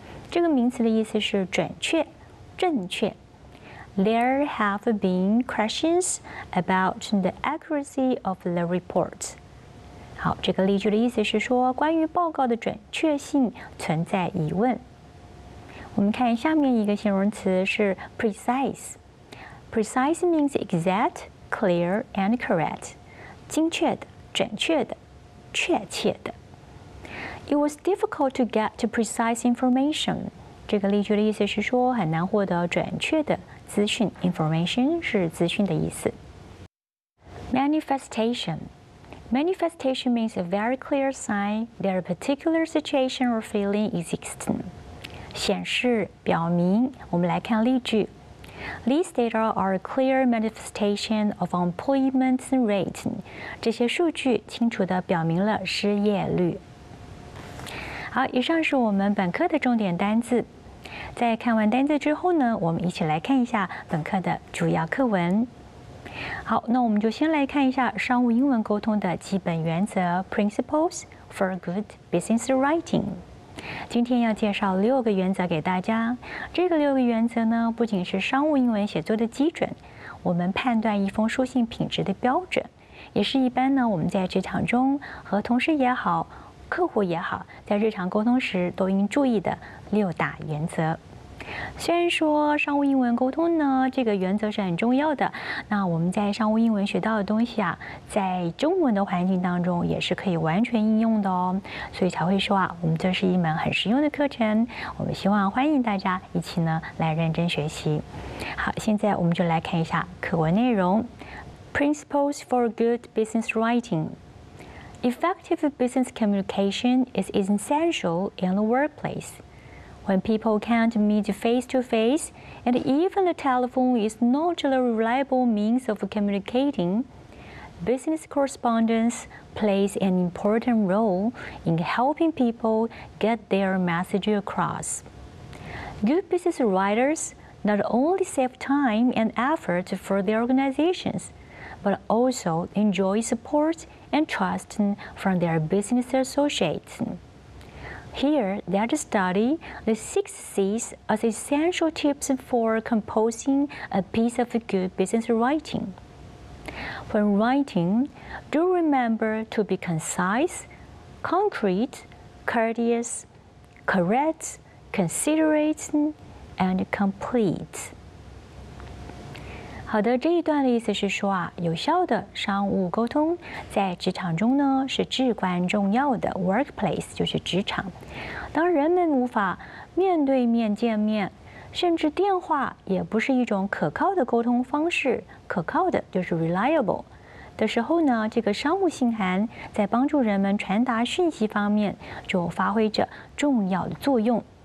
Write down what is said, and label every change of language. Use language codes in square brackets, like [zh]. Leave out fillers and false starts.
[zh] 这个名词的意思是准确、正确。 [en] There have been questions about the accuracy of the report. [zh] 好，这个例句的意思是说关于报告的准确性存在疑问。我们看下面一个形容词是 [en] precise. Precise means exact, clear, and correct. [zh] 精确的、准确的、确切的。 [en] It was difficult to get precise information. [zh] 这个例句的意思是说很难获得准确的资讯 information 是资讯的意思。 [en] Manifestation means a very clear sign that a particular situation or feeling is existing. [zh] 显示、表明。我们来看例句。 [en] These data are a clear manifestation of employment rate. [zh] 这些数据清楚地表明了失业率。好，以上是我们本课的重点单字。在看完单字之后呢，我们一起来看一下本课的主要课文。好，那我们就先来看一下商务英文沟通的基本原则 [en] Principles for good business writing。 [zh] 今天要介绍六个原则给大家。这个六个原则呢，不仅是商务英文写作的基准，我们判断一封书信品质的标准，也是一般呢我们在职场中和同事也好、客户也好，在日常沟通时都应注意的六大原则。虽然说商务英文沟通呢，这个原则是很重要的，那我们在商务英文学到的东西啊，在中文的环境当中也是可以完全应用的哦，所以才会说啊，我们这是一门很实用的课程，我们希望欢迎大家一起呢来认真学习。好，现在我们就来看一下课文内容。 [en] Principles for good business writing. Effective business communication is essential in the workplaceWhen people can't meet face-to-face, and even the telephone is not a reliable means of communicating, business correspondence plays an important role in helping people get their message across. Good business writers not only save time and effort for their organizations, but also enjoy support and trust from their business associates. Here, let us study the six C's as essential tips for composing a piece of good business writing. When writing, do remember to be concise, concrete, courteous, correct, considerate, and complete. [zh] 好的，这一段的意思是说啊，有效的商务沟通在职场中呢是至关重要的。 Workplace 就是职场。当人们无法面对面见面，甚至电话也不是一种可靠的沟通方式，可靠的就是 reliable 的时候呢，这个商务信函在帮助人们传达讯息方面就发挥着重要的作用。